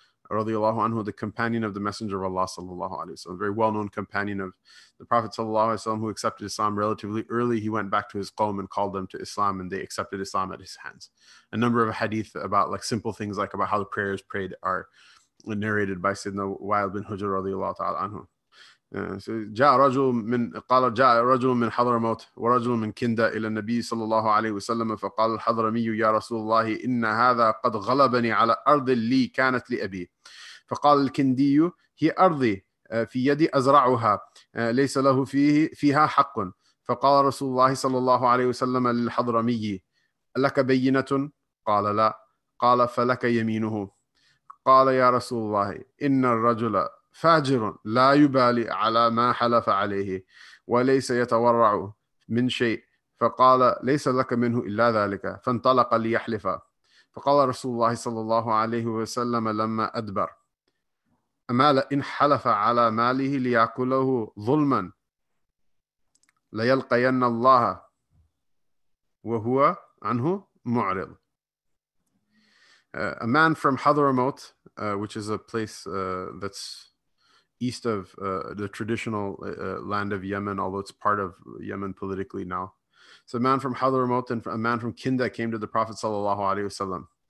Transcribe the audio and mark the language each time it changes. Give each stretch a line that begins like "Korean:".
English: radiallahu anhu, the companion of the Messenger of Allah sallallahu alayhi wa sallam, a very well-known companion of the Prophet sallallahu alayhi wa sallam, who accepted Islam relatively early. He went back to his qawm and called them to Islam, and they accepted Islam at his hands. A number of hadith about like simple things like about how the prayers prayed are narrated by Sayyidina Wild bin Hujr radiallahu ta'ala anhu.
Arabic: So جاء رجل من قال جاء رجل من حضرموت ورجل من كندا إلى النبي صلى الله عليه وسلم فقال الحضرمي يا رسول الله إن هذا قد غلبني على أرض لي كانت لأبي فقال الكندي هي أرضي في يدي أزرعها ليس له فيها حق فقال رسول الله صلى الله عليه وسلم للحضرمي لك بينة قال لا قال فلك يمينه قال يا رسول الله إن الرجل فاجر لا يبالي على ما حلف عليه وليس يتورع من شيء فقال ليس لك منه إلا ذلك فانطلق ليحلف فقال رسول الله صلى الله عليه وسلم لما أدبر أمال إن حلف على ماله ليأكله ظلما ليلقين الله وهو عنه معرض.
English: A man from Hadramaut, which is a place that's east of the traditional land of Yemen, although it's part of Yemen politically now. So a man from Hadramaut and a man from Kinda came to the Prophet sallallahu alaihi wasallam.